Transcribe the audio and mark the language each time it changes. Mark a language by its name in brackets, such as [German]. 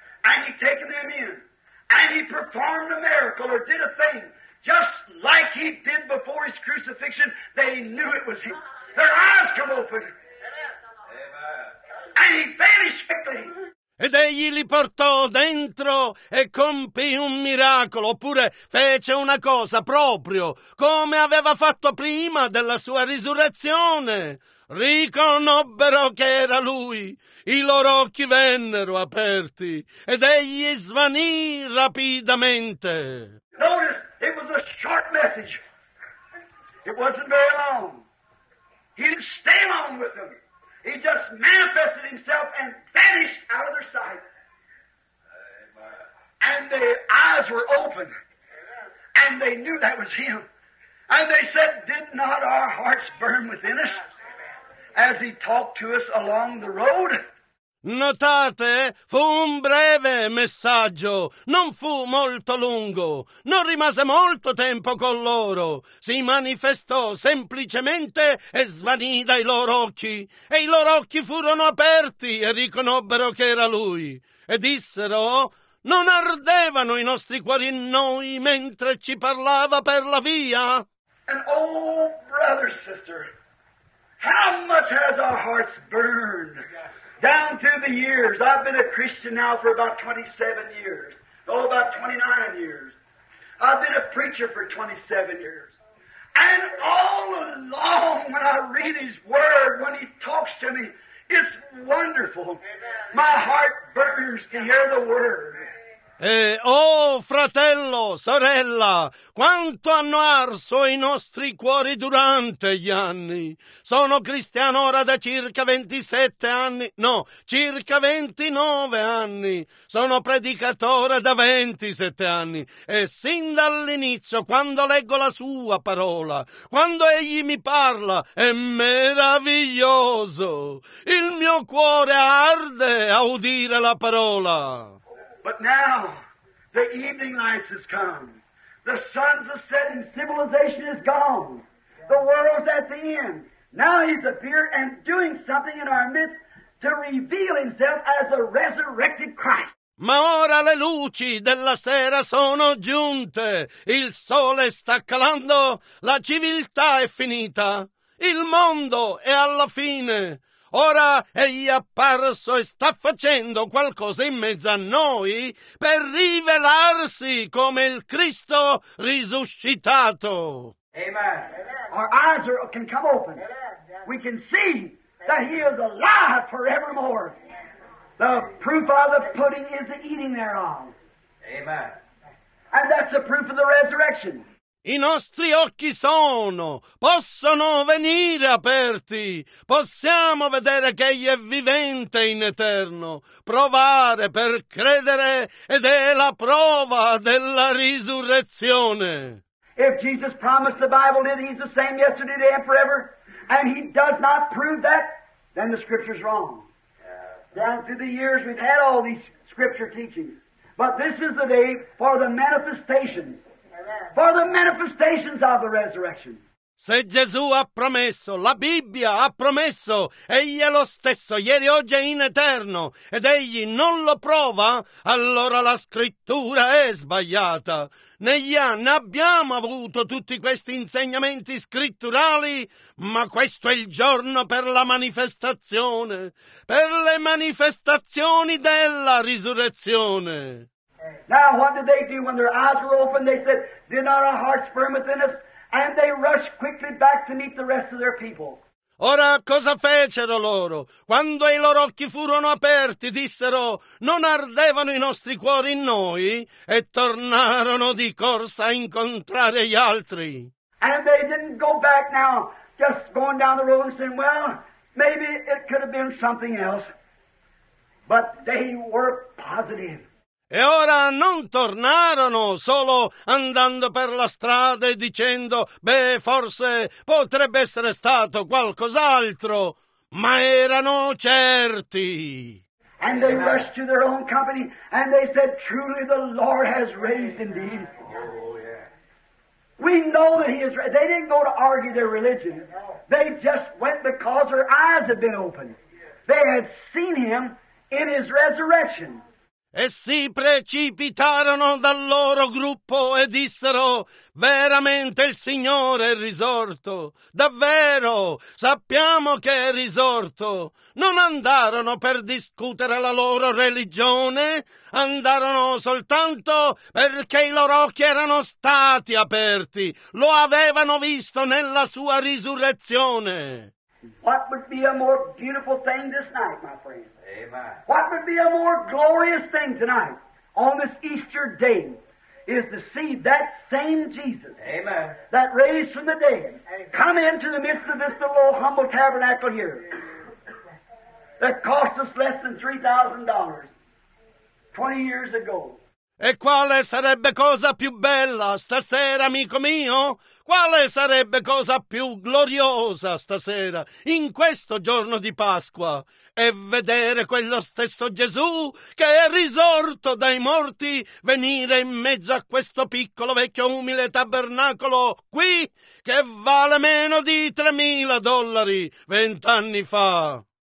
[English] And he taken them in, and he performed a miracle or did a thing, just like he did before his crucifixion, they knew it was him. Their eyes come open. Amen. And he vanished quickly. [Italian] Ed egli li portò dentro e compì un miracolo, oppure fece una cosa proprio, come aveva fatto prima della sua risurrezione. Riconobbero che era lui, i loro occhi vennero aperti, ed egli svanì rapidamente. [English] Notice, it was a short message. It wasn't very long. He didn't stay long with them. He just manifested himself and vanished out of their sight. Amen. And their eyes were open. Amen. And they knew that was him. And they said, did not our hearts burn within us? Amen. As he talked to us along the road? [Italian] Notate, fu un breve messaggio, non fu molto lungo, non rimase molto tempo con loro, si manifestò semplicemente e svanì dai loro occhi, e i loro occhi furono aperti e riconobbero che era lui, e dissero, non ardevano i nostri cuori in noi mentre ci parlava per la via? [English] And oh, brother, sister, how much has our hearts burned down through the years? I've been a Christian now for about 27 years, oh, about 29 years. I've been a preacher for 27 years. And all along when I read His Word, when He talks to me, it's wonderful. My heart burns to hear the Word. [Italian] E, oh, fratello, sorella, quanto hanno arso i nostri cuori durante gli anni. Sono cristiano ora da circa 27 anni, no, circa 29 anni. Sono predicatore da 27 anni. E sin dall'inizio, quando leggo la sua parola, quando egli mi parla, è meraviglioso. Il mio cuore arde a udire la parola. [English] But now, the evening lights has come. The sun's a setting, civilization is gone. The world's at the end. Now He's appeared and doing something in our midst to reveal Himself as a resurrected Christ. [Italian] Ma ora le luci della sera sono giunte. Il sole sta calando, la civiltà è finita. Il mondo è alla fine. Ora Egli è apparso e sta facendo qualcosa in mezzo a noi per rivelarsi come il Cristo risuscitato. [English] Amen. Our eyes can come open. We can see that He is alive forevermore. The proof of the pudding is the eating thereof. Amen. And that's the proof of the resurrection. [Italian] I nostri occhi sono, possono venire aperti, possiamo vedere che Egli è vivente in eterno, provare per credere ed è la prova della risurrezione. [English] If Jesus promised the Bible that He's the same yesterday, today and forever, and He does not prove that, then the Scripture's wrong. Down through the years we've had all these Scripture teachings, but this is the day for the manifestations. For the manifestations of the resurrection. [Italian] Se Gesù ha promesso, la Bibbia ha promesso, Egli è lo stesso, ieri, oggi e in eterno, ed Egli non lo prova, allora la Scrittura è sbagliata. Negli anni abbiamo avuto tutti questi insegnamenti scritturali, ma questo è il giorno per la manifestazione, per le manifestazioni della risurrezione. [English] Now what did they do when their eyes were open? They said, did not our hearts burn within us? And they rushed quickly back to meet the rest of their people. [Italian] Ora cosa fecero loro? Quando i loro occhi furono aperti, dissero, non ardevano i nostri cuori in noi? E tornarono di corsa a incontrare gli altri. [English] And they didn't go back now, just going down the road and saying, well, maybe it could have been something else. But they were positive. [Italian] E ora non tornarono solo andando per la strada e dicendo, beh, forse potrebbe essere stato qualcos'altro, ma erano certi. [English] And they rushed to their own company and they said, truly the Lord has raised indeed. We know that He is raised. They didn't go to argue their religion. They just went because their eyes had been opened. They had seen Him in His resurrection. [Italian] E si precipitarono dal loro gruppo e dissero, veramente il Signore è risorto, davvero, sappiamo che è risorto. Non andarono per discutere la loro religione, andarono soltanto perché i loro occhi erano stati aperti, lo avevano visto nella sua risurrezione. [English] What would be a more beautiful thing this night, my friend? Amen. What would be a more glorious thing tonight on this Easter day is to see that same Jesus, amen, that raised from the dead, amen, come into the midst of this little humble tabernacle here that cost us less than $3,000 20 years ago. [Italian] E quale sarebbe cosa più bella stasera, amico mio? Quale sarebbe cosa più gloriosa stasera, in questo giorno di Pasqua? E vedere quello stesso Gesù che è risorto dai morti venire in mezzo a questo piccolo, vecchio, umile tabernacolo qui che vale meno di $3,000 20 anni fa.